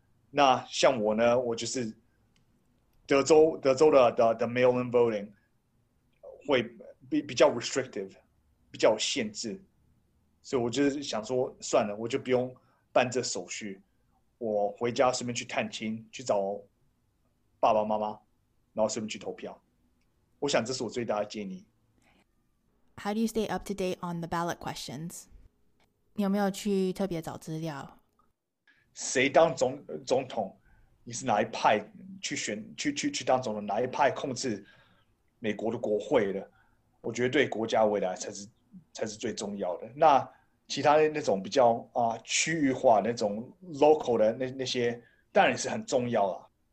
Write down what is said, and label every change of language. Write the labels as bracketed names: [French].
[Chinese] 那像我呢，我就是德州的 [English] mail-in voting [Chinese] 会比较 [English] restrictive， [Chinese] 比较有限制，所以我就想说算了，我就不用办这手续，我回家顺便去探亲，去找爸爸妈妈，然后顺便去投票。我想这是我最大的建议。 [English] How do you stay up to date on the ballot questions? [Chinese] 你有没有去特别找资料？谁当总统？你是哪一派去选？去当总统？哪一派控制美国的国会的？我觉得对国家未来才是最重要的。那其他那种比较区域化那种 local 的那些，当然也是很重要了。